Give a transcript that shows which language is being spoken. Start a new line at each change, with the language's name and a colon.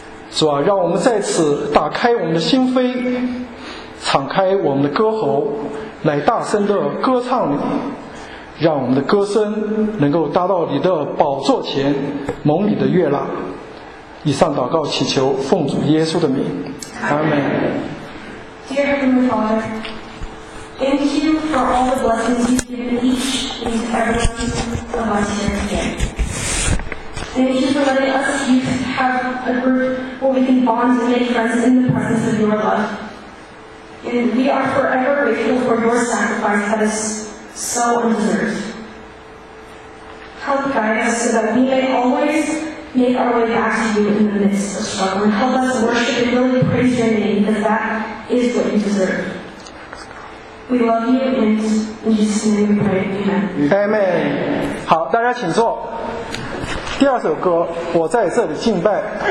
Chinese: 主啊，让我们在此打开我们的心扉，敞开我们的歌喉，来大声的歌唱你，让我们的歌声能够达到你的宝座前，蒙你的悦纳。以上祷告祈求，奉主耶稣的名，阿门。
English: Dear Heavenly Father, thank you for all the blessings you've given each and every one of us here today. Thank you for letting us youth have a group where we can bond and make friends in the presence of your love. And we are forever grateful for your sacrifice that is so undeserved. Help guide us so that we may always make our way back to you in the midst of struggle. And help us worship and really praise your name, because that is what you deserve. We love you, and in Jesus' name we pray. Amen.
Chinese: Amen. 好，大家请坐。第二首歌，我在这里敬拜。